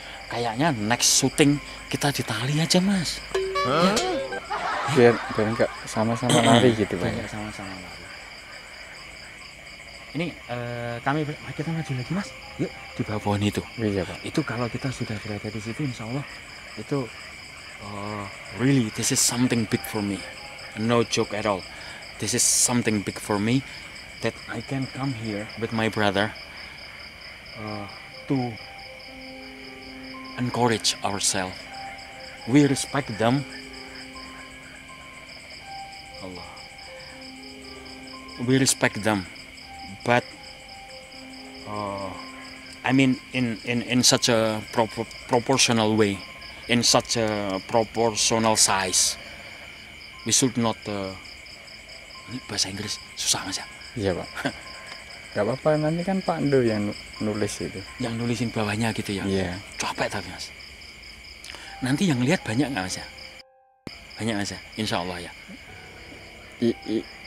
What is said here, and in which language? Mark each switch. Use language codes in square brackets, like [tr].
[id] Kayaknya next syuting kita di tali aja Mas. Ya. Biar nggak sama-sama lari gitu Pak. Biar sama-sama lari. Ini kami kita maju lagi Mas. Yuk di bawah pohon itu. Iya Pak. Itu kalau kita sudah berada di situ Insya Allah itu. [en] Really, this is something big for me. No joke at all. This is something big for me that I can come here with my brother to encourage ourselves. We respect them. Allah. We respect them, but I mean in such a proportional way. In such a proportional size, we should not. [id] Ini bahasa Inggris susah mas ya? Iya Pak. Gak apa-apa, nanti kan Pak Ndo yang nulis itu. Yang nulisin bawahnya gitu ya? Iya. Capek tapi mas. Nanti yang lihat banyak nggak mas ya? Banyak mas ya, Insya Allah ya. I.